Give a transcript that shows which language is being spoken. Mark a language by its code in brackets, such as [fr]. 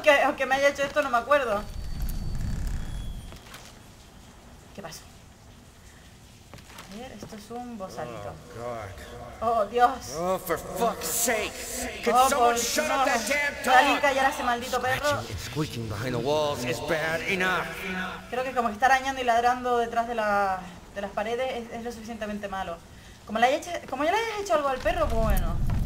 [es] Aunque me haya hecho esto, no me acuerdo. ¿Qué pasó? A ver, esto es un bozalito. ¡Oh, Dios! [en] ¡Oh, for fuck's sake! [es] ¿Puede alguien [en] shut up that damn dog? [es] ¿Alguien callar a ese maldito perro? [en] Squeaking behind the walls is bad enough. [es] Creo que como que está arañando y ladrando detrás de las paredes es lo suficientemente malo. Como ya le hayas hecho algo al perro, pues bueno.